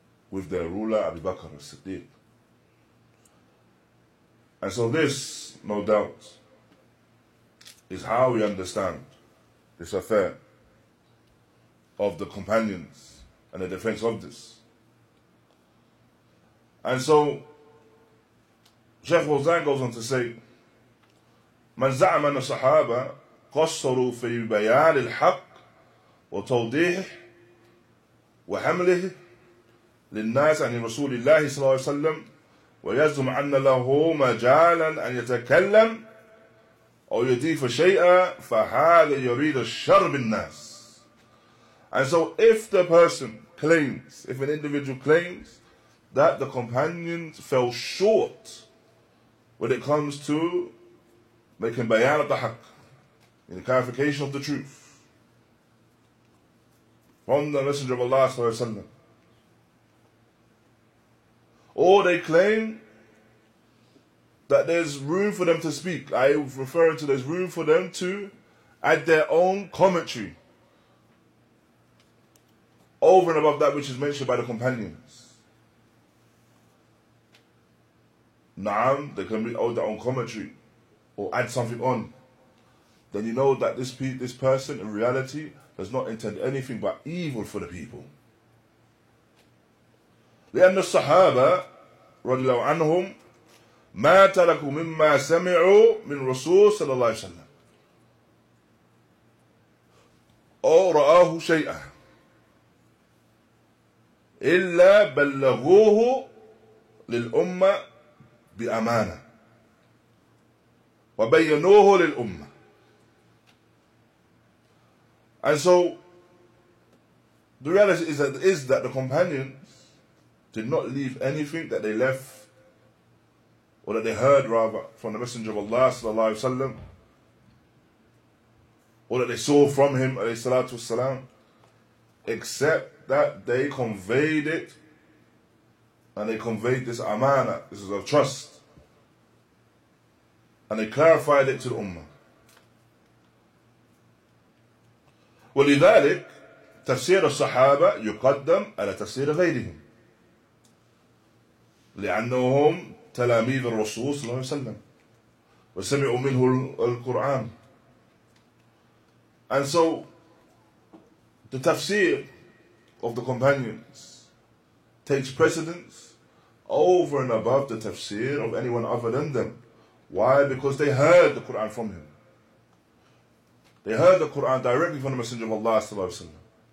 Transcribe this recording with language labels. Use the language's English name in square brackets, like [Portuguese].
[English] With their ruler, Abu Bakr al-Siddiq. And so this, no doubt, is how we understand this affair of the companions and the defense of this. And so, Shaykh Hassan goes on to say, [Arabic] من زعم أن الصحابة قصروا في بيان الحق وتوضيح وحمله للناس عن رسول الله صلى الله عليه وسلم ويزعم أن له مجالا أن يتكلم أو يضيف شيئا فهذا يريد الشر بالناس. [English] And so if the person claims, if an individual claims that the companions fell short when it comes to making bayan of the haqq, in the clarification of the truth from the Messenger of Allah sallallahu alaihi wasallam, or they claim that there's room for them to speak, I was referring to there's room for them to add their own commentary over and above that which is mentioned by the companions. Naam, they can read their own commentary or add something on, then you know that this person in reality does not intend anything but evil for the people. [Arabic] لأن الصحابة رضي الله عنهم ما تركوا مما سمعوا من رسول صلى الله عليه وسلم أو رآه شيئا إلا بلغوه للأمة بأمانة وبينوه للأمة. [English] And so, the reality is that the companions did not leave anything that they left, or that they heard rather, from the Messenger of Allah sallallahu alaihi wasallam, or that they saw from him alayhi salatu wasalam, except that they conveyed it, and they conveyed this amana, this is a trust, and they clarified it to the ummah. [Arabic] ولذلك تفسير الصحابة يقدم على تفسير غيرهم لأنهم تلاميذ الرسول صلى الله عليه وسلم وسمعوا منه القرآن. [English] And so the tafsir of the companions takes precedence over and above the tafsir of anyone other than them. Why? Because they heard the Quran from him. They heard the Quran directly from the Messenger of Allah sallallahu alaihi wasallam.